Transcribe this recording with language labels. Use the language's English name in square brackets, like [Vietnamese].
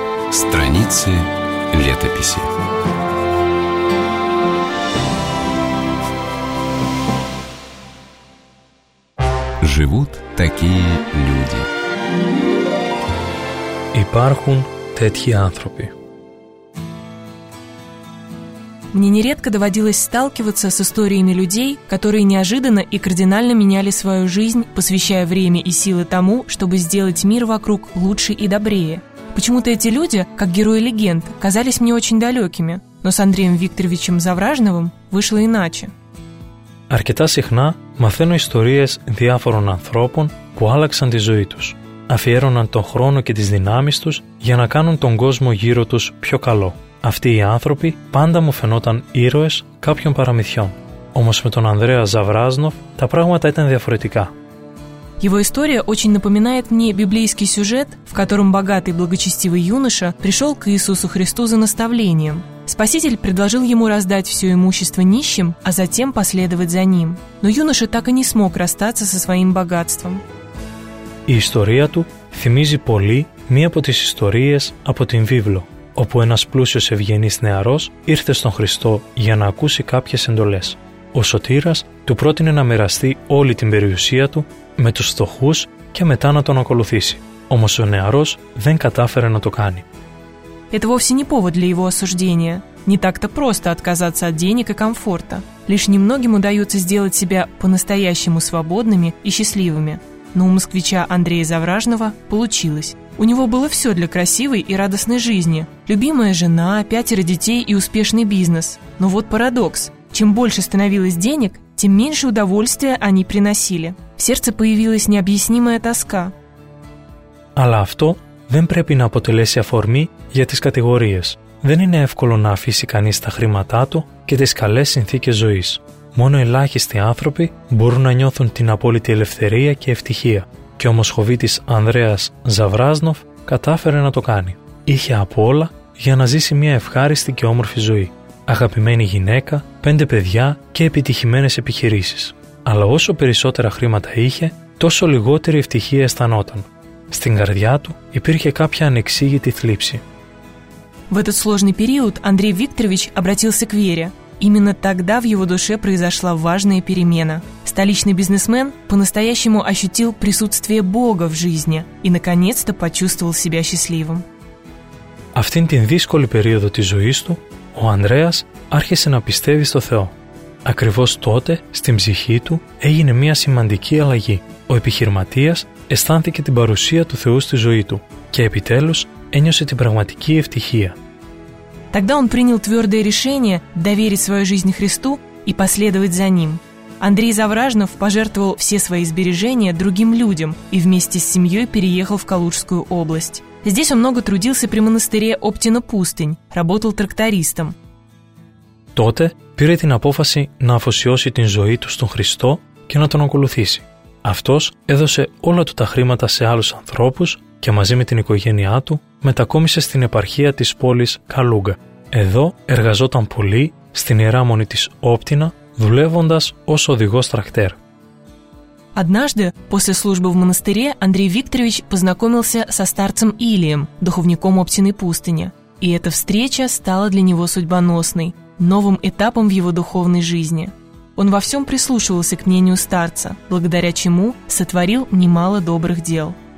[Russian] Страницы летописи. Живут такие люди. [Greek] Υπάρχουν τέτοιοι άνθρωποι. [Russian] Мне нередко доводилось сталкиваться с историями людей, которые неожиданно и кардинально меняли свою жизнь, посвящая время и силы тому, чтобы сделать мир вокруг лучше и добрее. Почему-то эти люди, как герои легенд, казались мне очень далекими, но с Андреем Викторовичем Завражновым вышло иначе. [Greek] Αρκετά συχνά μαθαίνω ιστορίες διάφορων ανθρώπων που άλλαξαν τη ζωή τους. Αφιέρωναν τον χρόνο και τις δυνάμεις τους για να κάνουν τον κόσμο γύρω τους πιο καλό. Αυτοί οι άνθρωποι πάντα μου φαινόταν ήρωες κάποιων παραμυθιών. Όμως με τον Ανδρέα Ζαβράζνοφ τα πράγματα ήταν διαφορετικά. [Russian] Его история очень напоминает мне библейский сюжет, в котором богатый благочестивый юноша пришел к Иисусу Христу за наставлением. Спаситель предложил ему раздать все имущество нищим, а затем последовать за ним. Но юноша так и не смог расстаться со своим богатством. История [Greek] του θυμίζει πολύ μία από τις ιστορίες από την Βίβλο, όπου ένας πλούσιος ευγενής νεαρός ήρθε στον Χριστό για να ακούσει κάποιες εντολές. Ο Σωτήρας του πρότεινε να μοιραστεί όλη την περιουσία του με τους φτωχούς και μετά να τον ακολουθήσει. Όμως ο νεαρός δεν κατάφερε να το κάνει. [Russian] Это вовсе не повод для его осуждения. Не так-то просто отказаться от денег и комфорта. Лишь немногим удается сделать себя по-настоящему свободными и счастливыми. Но у москвича Андрея Завражного получилось. У него было все для красивой и радостной жизни. Любимая жена, пятеро детей и успешный бизнес. Но вот парадокс. Чем больше становилось денег, тем меньше удовольствия они приносили. В сердце появилась необъяснимая тоска. Але авто [Greek] δεν πρέπει να αποτελέσει αφορμή για τις κατηγορίες. Δεν είναι εύκολο να αφήσει κανείς τα χρήματά του και τις καλές συνθήκες ζωής. Μόνο ελάχιστοι άνθρωποι μπορούν να νιώθουν την απόλυτη ελευθερία και ευτυχία. Και ο μοσχοβίτης Ανδρέας Ζαβράζνοφ κατάφερε να το κάνει. Είχε από όλα για να ζήσει μια ευχάριστη και όμορφη ζωή. Αγαπημένη γυναίκα, 5 παιδιά και επιτυχημένες επιχειρήσεις. Αλλά όσο περισσότερα χρήματα είχε, τόσο λιγότερη ευτυχία αισθανόταν. Στην καρδιά του υπήρχε κάποια ανεξήγητη θλίψη. [Russian] В этот сложный период Андрей Викторович обратился к вере. Именно тогда в его душе произошла важная перемена. Столичный бизнесмен по-настоящему ощутил присутствие Бога в жизни и наконец-то почувствовал себя счастливым. [Greek] Αυτήν την δύσκολη περίοδο της ζωής του, ο Ανδρέας άρχισε να πιστεύει στο Θεό. Ακριβώς τότε, στην ψυχή του, έγινε μια σημαντική αλλαγή. Ο επιχειρηματίας αισθάνθηκε την παρουσία του Θεού στη ζωή του και επιτέλους ένιωσε την πραγματική ευτυχία. [Russian] Тогда он принял твердое решение доверить свою жизнь Христу и последовать за Ним. Андрей Завражнов пожертвовал все свои сбережения другим людям и вместе с семьей переехал в Калужскую область. Здесь он много трудился при монастыре Оптина Пустынь, работал трактористом. Тогда пире [Greek] την απόφαση να αφοσιώσει την ζωή του στον Χριστό και να τον ακολουθήσει. Αυτός έδωσε όλα του τα χρήματα σε άλλους ανθρώπους και μαζί με την οικογένειά του μετακόμισε στην επαρχία της πόλης Καλούγκα. Εδώ εργαζόταν πολύ στην ιεράμονη της Όπτινα, δουλεύοντας ως οδηγός τρακτέρ. [Russian] Однажды, после службы в монастыре, Андрей Викторович познакомился со старцем Илием, духовником Оптиной пустыни. И эта встреча стала для него судьбоносной, новым этапом в его духовной жизни. Он во всем прислушивался к мнению старца, благодаря чему сотворил немало добрых дел.